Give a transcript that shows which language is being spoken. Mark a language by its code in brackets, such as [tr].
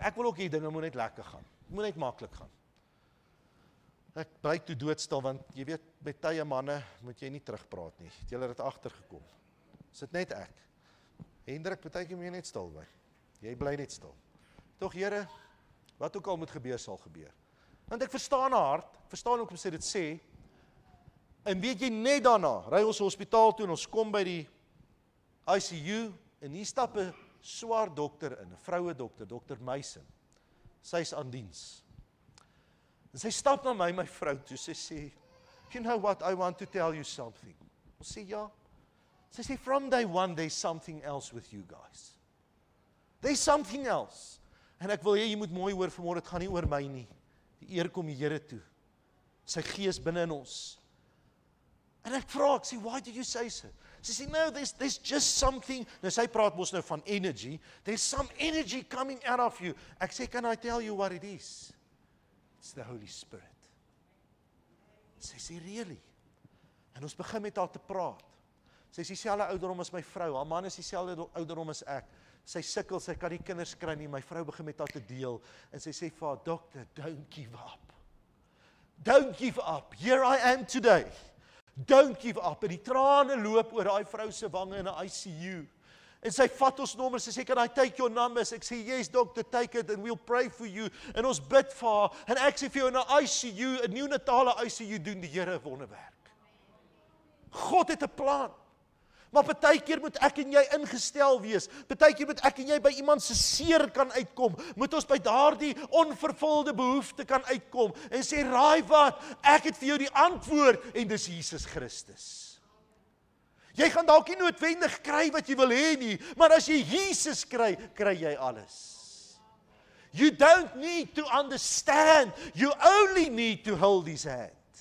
[af] Ek wil ook hier dinge, moet net lekker gaan, moet net makkelijk gaan. Ek bly toe doodstil, want jy weet, by tye manne moet jy nie terugpraat nie. Het julle dit achtergekom? Is dit net ek? Hendrik, betek jy my net stil, man. Jy bly net stil. Toch, Here, wat ook al moet gebeur, sal gebeur. Want ek verstaan hard, verstaan ook om sy dit sê, en weet jy net daarna, ry ons hospitaal toe en ons kom by die ICU, en hier stap een swaar dokter in, een vrouwe dokter, dokter Meisen. Sy is aan diens. En sy stap na my, my vrou, toe, sy sê, [en] you know what, I want to tell you something. [af] Ons sê, ja. Sy sê, from day one, there's something else with you guys. There's something else. En ek wil hê, jy moet mooi hoor vanmorgen, het gaan nie oor my nie. Die eer kom die Here toe. Sy gees binnen in ons. En ek vraag, ek sê, [en] why did you say so? [af] Sy sê, [en] no, there's just something, [af] nou sy praat ons nou van [en] energy, there's some energy coming out of you. [af] Ek sê, [en] can I tell you what it is? It's the Holy Spirit. [af] Sy sê, [en] really? [af] En ons begin met haar te praat. Sy is dieselfde ouderdom as my vrou, haar man is dieselfde ouderdom as ek. Sy sukkel, sy kan die kinders kry nie, my vrou begin met haar te deel. En sy sê, vir dokter, [en] don't give up. Don't give up, here I am today. Don't give up, [af] en die trane loop oor die vrou se wange in die ICU. En sy vat ons nommers, sy sê, [en] can I take your numbers? [af] Ek sê, [en] yes dokter, take it and we'll pray for you. [af] En ons bid vir haar, en ek sê vir jou in die ICU, in nieuw natale ICU, doen die Here wonderwerk. God het 'n plan. Maar baie keer moet ek en jy ingestel wees. Baie keer moet ek en jy by iemand se seer kan uitkom. Moet ons by daardie onvervulde behoefte kan uitkom. En sê, raai wat, ek het vir jou die antwoord, en dis Jesus Christus. Jy gaan dalk nie noodwendig kry wat jy wil hê nie, maar as jy Jesus kry, kry jy alles. [en] You don't need to understand, you only need to hold his hand.